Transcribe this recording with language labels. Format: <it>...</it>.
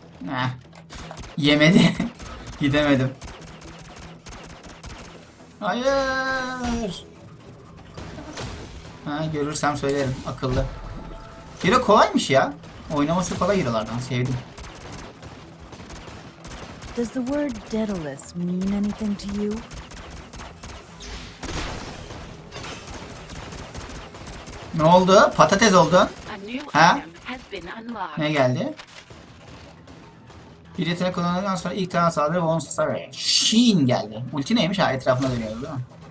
<tr>Heh. Yemedi. Gidemedim. Hayır. Ha, görürsem söylerim. Akıllı. Hero kolaymış ya. Oynaması kolay hero'lardan. Sevdim.</tr> <en>Does the word Daedalus mean anything to you?</en> <tr>Ne oldu? Patates oldu. Ha? Ne geldi? Bir yetenek kullandıktan sonra ilk tane saldırı Von Sasa ve Sheen geldi. Ulti neymiş ha, etrafına dönüyordu değil mi?</tr>